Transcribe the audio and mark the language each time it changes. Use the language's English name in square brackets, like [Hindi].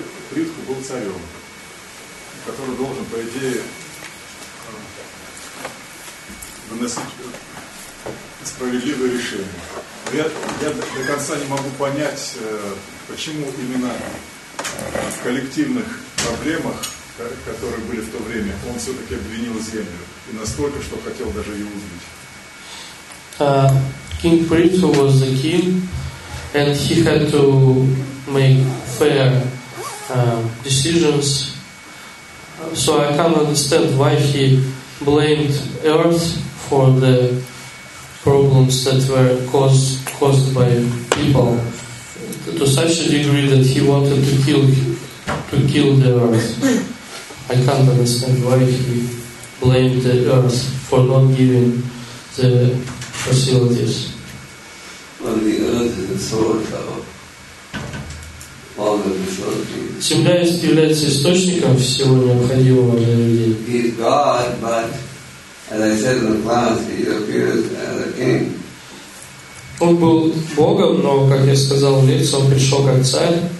[Russian] Притху был царем, который должен, по идее, выносить справедливое решение. Я до конца не могу понять, почему именно в коллективных проблемах, которые были в то время, он все-таки обвинил землю. И настолько, что хотел даже ее убить. [English] King Prithu was the king, and he had to make fair decisions. So I can't understand why he blamed Earth for the problems that were caused by people to such a degree that he wanted to kill the Earth. I can't understand why he blamed the Earth for not giving the facilities. Well, the Earth is the source of all the resources. [Russian] Земля является источником всего необходимого для людей. [English] He is God, but as I said in the past, he appears as a king. [Russian] Он был Богом, но, как я сказал, лицо он пришел как царь.